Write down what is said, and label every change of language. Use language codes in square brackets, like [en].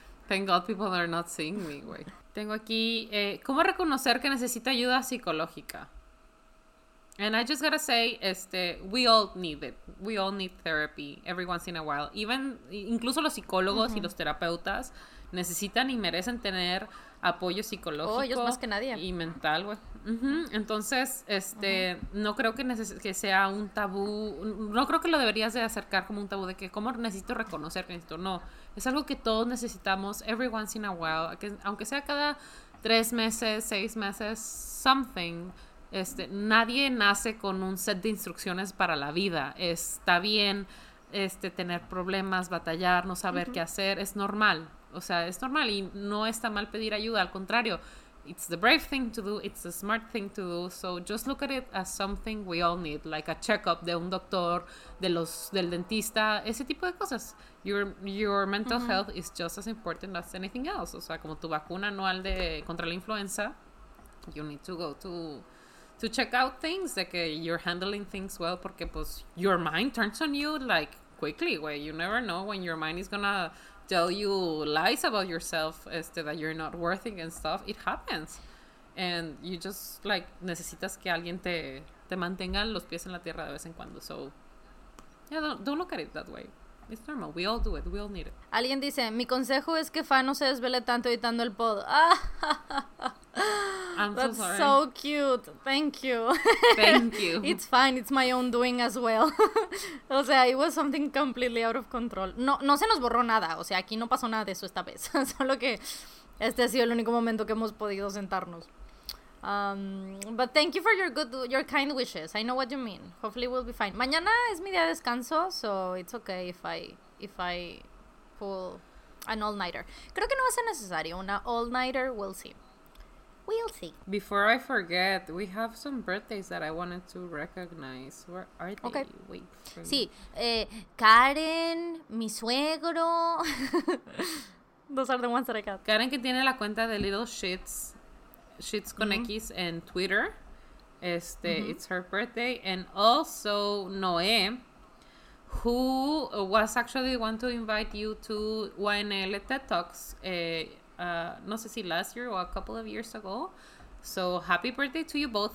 [en] Thank God people are not seeing me, wait. [es] Tengo aquí, ¿cómo reconocer que necesito ayuda psicológica? [en] And I just gotta say, we all need it. We all need therapy every once in a while. [es] Incluso los psicólogos y los terapeutas necesitan y merecen tener apoyo psicológico. Oh, ellos más que nadie. Y mental, güey. Entonces, no creo que que sea un tabú. No creo que lo deberías de acercar como un tabú de que, ¿cómo necesito reconocer que necesito? No, es algo que todos necesitamos [en] every once in a while. [es] Aunque sea cada 3 meses, 6 meses, something. Nadie nace con un set de instrucciones para la vida. Está bien tener problemas, batallar, no saber qué hacer. Es normal. O sea, es normal y no está mal pedir ayuda. Al contrario, [en] it's the brave thing to do, it's the smart thing to do. So just look at it as something we all need, like a checkup [es] de un doctor, del dentista, ese tipo de cosas. [en] Your mental health is just as important as anything else. [es] O sea, como tu vacuna anual contra la influenza, [en] you need to go to check out things, de que you're handling things well, [es] porque pues [en] your mind turns on you like quickly, güey. You never know when your mind is gonna tell you lies about yourself, that you're not worthy and stuff. It happens. And you just like [es] necesitas que alguien te mantenga los pies en la tierra de vez en cuando. [en] So yeah, don't look at it that way. It's normal. We all do it. We all need it. [es] Alguien dice, mi consejo es que Fa no se desvele tanto editando el pod. Ah. [en] That's so cute. Thank you. It's fine. It's my own doing as well. [es] O sea, [en] it was something completely out of control. [es] No se nos borró nada. O sea, aquí no pasó nada de eso esta vez. Solo que este ha sido el único momento que hemos podido sentarnos. [en] But thank you for your kind wishes. I know what you mean. Hopefully we'll be fine. [es] Mañana es mi día de descanso, [en] so it's okay if I pull an all-nighter. [es] Creo que no va a ser necesario una all-nighter. [en] We'll see. Before I forget, we have some birthdays that I wanted to recognize. Where are they? Okay. Wait. Sí, Karen, mi suegro. Those are the ones that I got. [es] Karen, que tiene la cuenta de Little Shits. [en] Shits con X en Twitter. It's her birthday. And also Noé, who was actually the one to invite you to YNL TED Talks [es] no sé si [en] last year or a couple of years ago. So happy birthday to you both.